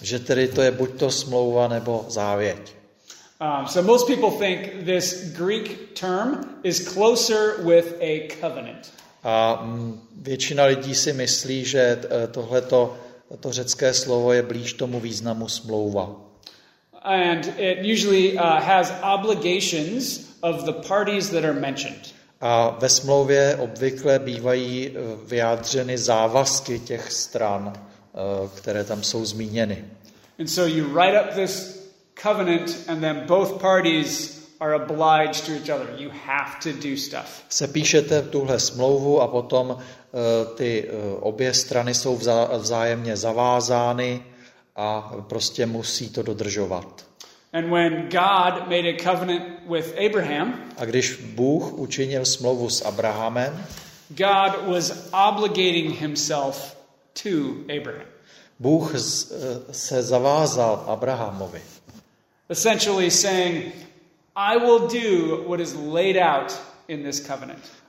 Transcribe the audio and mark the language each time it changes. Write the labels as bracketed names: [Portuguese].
[Czech] Že tedy to je buď to smlouva nebo závěť. [English] So most people think this Greek term is closer with a covenant. [Czech] A většina lidí si myslí, že tohleto to řecké slovo je blíž tomu významu smlouva. [English] And it usually has obligations of the parties that are mentioned. [Czech] A ve smlouvě obvykle bývají vyjádřeny závazky těch stran, které tam jsou zmíněny. [English] And so you write up this covenant and then both parties are obliged to each other. You have to do stuff. [Czech] Sepíšete tuhle smlouvu a potom ty obě strany jsou vzájemně zavázány a prostě musí to dodržovat. [English] And when God made a covenant with Abraham, [Czech] a když Bůh učinil smlouvu s Abrahamem, [English] God was obligating himself to Abraham. [Czech] Bůh se zavázal Abrahamovi. [English] Essentially saying, I will do what is laid out in this covenant.